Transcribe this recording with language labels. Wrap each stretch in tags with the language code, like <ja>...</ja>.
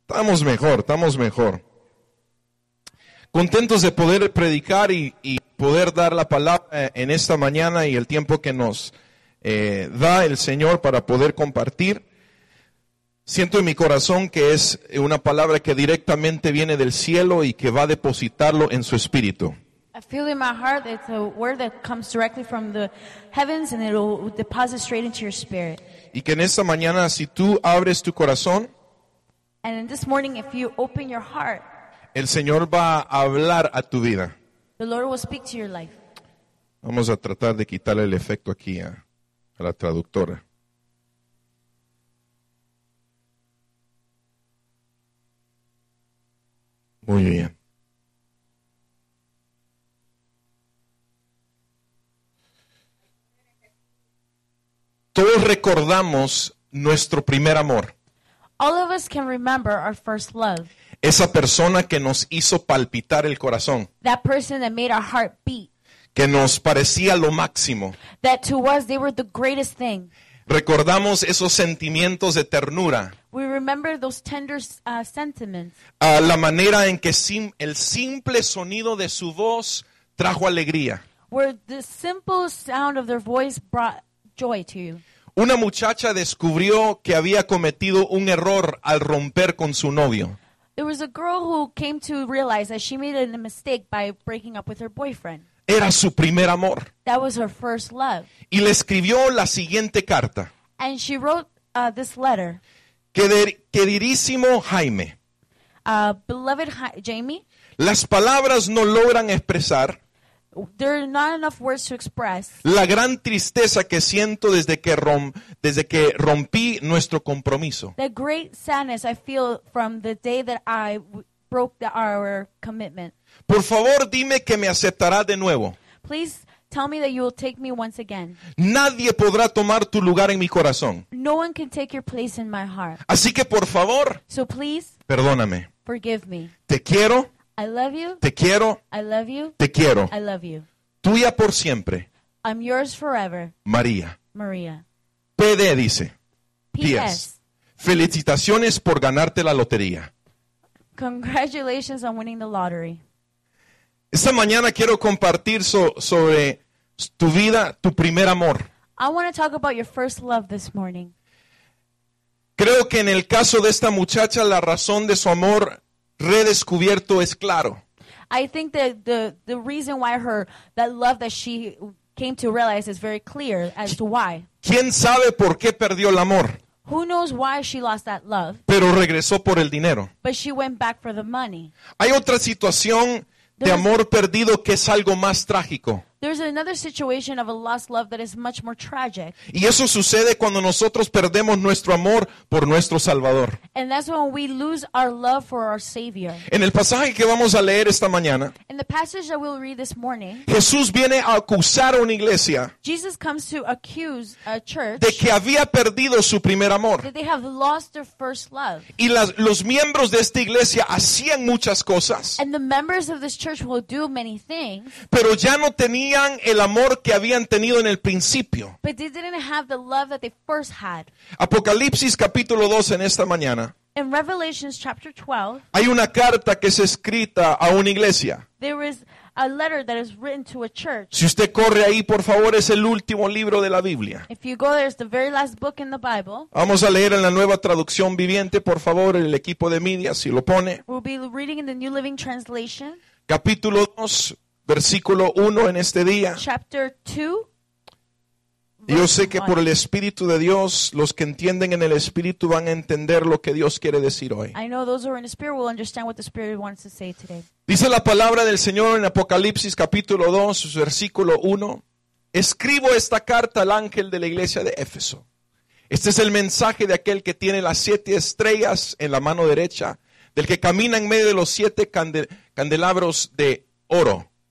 <es>Estamos mejor. Contentos de poder predicar y poder dar la palabra en esta mañana y el tiempo que nos da el Señor para poder compartir. Siento en mi corazón que es una palabra que directamente viene del cielo y que va a depositarlo en su espíritu.</es> <en>I feel in my heart that it's a word that comes directly from the heavens and it will deposit straight into your spirit.</en> <es>Y que en esta mañana, si tú abres tu corazón,</es> <en>and in this morning, if you open your heart,</en> <es>el Señor va a hablar a tu vida.</es> <en>The Lord will speak to your life.</en> <es>Vamos a tratar de quitarle el efecto aquí a la traductora. Muy bien. Todos recordamos nuestro primer amor.</es> <en>All of us can remember our first love.</en> <es>Esa persona que nos hizo palpitar el corazón.</es> <en>That person that made our heart beat.</en> <es>Que nos parecía lo máximo.</es> <en>That to us they were the greatest thing.</en> <es>Recordamos esos sentimientos de ternura.</es> <en>We remember those tender sentiments.</en> <es>La manera en que el simple sonido de su voz trajo alegría.</es> <en>Where the simple sound of their voice brought joy to you.</en> <es>Una muchacha descubrió que había cometido un error al romper con su novio.</es> <en>There was a girl who came to realize that she made a mistake by breaking up with her boyfriend.</en> <es>Era su primer amor.</es> <en>That was her first love.</en> <es>Y le escribió la siguiente carta.</es> <en>And she wrote this letter.</en> <es>Queridísimo Jaime.</es> <en>Beloved Jamie.</en> <es>Las palabras no logran expresar.</es> <en>There are not enough words to express.</en> <es>La gran tristeza que siento desde que rompí nuestro compromiso.</es> <en>The great sadness I feel from the day that I broke our commitment.</en> <es>Por favor, dime que me aceptarás de nuevo.</es> <en>Please tell me that you will take me once again.</en> <es>Nadie podrá tomar tu lugar en mi corazón.</es> <en>No one can take your place in my heart.</en> <es>Así que por favor,</es> <en>so please,</en> <es>perdóname.</es> <en>Forgive me.</en> <es>Te quiero.</es> <en>I love you.</en> <es>Te quiero.</es> <en>I love you.</en> <es>Te quiero.</es> <en>I love you.</en> <es>Tuya por siempre.</es> <en>I'm yours forever.</en> <es>María. María. PD dice.</es> <en>P.S.</en> <es>Felicitaciones por ganarte la lotería.</es> <en>Congratulations on winning the lottery.</en> <es>Esta mañana quiero compartir sobre tu vida, tu primer amor.</es> <en>I want to talk about your first love this morning.</en> <es>Creo que en el caso de esta muchacha, la razón de su amor redescubierto es claro.</es> <en>I think that the reason why that love that she came to realize is very clear as to why.</en> <es>¿Quién sabe por qué perdió el amor?</es> <en>Who knows why she lost that love?</en> <es>Pero regresó por el dinero.</es> <en>But she went back for the money.</en> <es>Hay otra situación de amor perdido que es algo más trágico.</es> <en>There's another situation of a lost love that is much more tragic.</en> <es>Y eso sucede cuando nosotros perdemos nuestro amor por nuestro Salvador.</es> <en>And that's when we lose our love for our Savior.</en> <es>En el pasaje que vamos a leer esta mañana,</es> <en>in the passage that we'll read this morning,</en> <es>Jesús viene a acusar a una iglesia,</es> <en>Jesus comes to accuse a church,</en> <es>de que había perdido su primer amor.</es> <en>That they have lost their first love.</en> <es>Y los miembros de esta iglesia hacían muchas cosas.</es> <en>And the members of this church will do many things.</en> <es>Pero ya no tenían el amor que habían tenido en el principio.</es> <en>But they didn't have the love that they first had.</en> <es>Apocalipsis capítulo 12 en esta mañana.</es> <en>In Revelation chapter 12.</en> <es>Hay una carta que es escrita a una iglesia.</es> <en>There is a letter that is written to a church.</en> <es>Si usted corre ahí, por favor, es el último libro de la Biblia.</es> <en>If you go there, it's the very last book in the Bible.</en> <es>Vamos a leer en la Nueva Traducción Viviente, por favor, el equipo de media si lo pone.</es> <en>We'll be reading in the New Living Translation.</en> <es>Capítulo 2. Versículo 1 en este día.</es> <en>Chapter 2.</en> <es>Yo sé que por el Espíritu de Dios, los que entienden en el Espíritu van a entender lo que Dios quiere decir hoy.</es> <en>I know those who are in the Spirit will understand what the Spirit wants to say today.</en> <es>Dice la palabra del Señor en Apocalipsis capítulo 2, versículo 1. Escribo esta carta al ángel de la iglesia de Éfeso. Este es el mensaje de aquel que tiene las siete estrellas en la mano derecha, del que camina en medio de los siete candelabros de oro.</es>